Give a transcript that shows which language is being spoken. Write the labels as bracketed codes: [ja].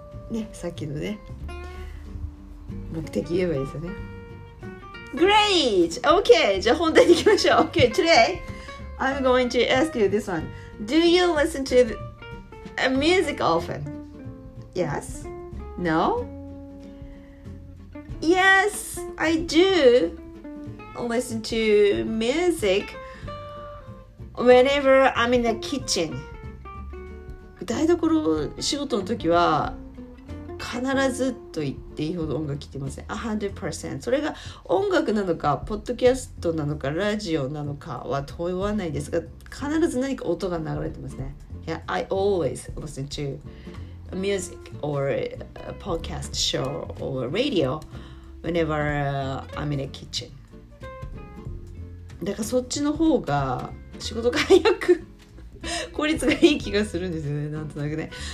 [ja] ね、さっきのね、目的言えばいいですよね。 [en] Great! Okay, [ja] じゃあ本題に行きましょう。 [en] Okay, today I'm going to ask you this one. Do you listen to music often? Yes? No? Yes, I do listen to music whenever I'm in the kitchen. [ja] 台所仕事の時は必ずと言っていいほど音楽聴いてません。 100%。それが音楽なのかポッドキャストなのかラジオなのかは問わないですが、必ず何か音が流れてますね。 [en] Yeah, I always listen to music or podcast show or radio whenever I'm in the kitchen. [ja] だからそっちの方が仕事が早く効率がいい気がするんですよね、なんとなくね。